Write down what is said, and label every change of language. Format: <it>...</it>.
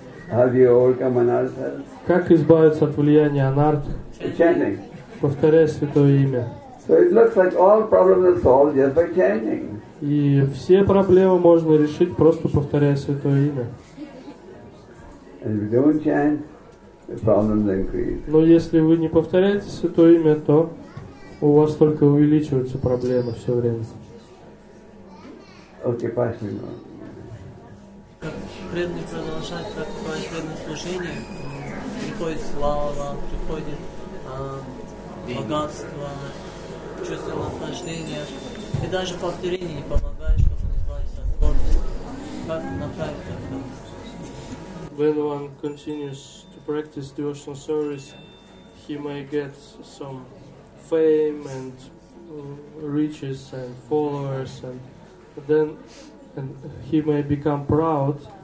<en>How do you overcome anartha?</en> <ru>Как избавиться от влияния анартх?</ru> <en>Attending.</en> <ru>Повторяя Святое Имя.</ru> <en>So it looks like all problems are solved just by chanting.</en> <ru>И все проблемы можно решить, просто повторяя Святое Имя.</ru> <en>And if you don't chant, the problems increase.</en> <ru>Но если вы не повторяете Святое Имя, то у вас только увеличиваются проблемы все время.</ru> <en>Okay, pass me on.</en> <ru>Как преданный продолжать практиковать преданное служение, приходит слава, приходит богатство, чувство наслаждения. И даже повторение не помогает, чтобы не избавиться от гордости. Как направить это?</ru> <en>When one continues to practice devotional service, he may get some fame and riches and followers, and then and he may become proud.</en>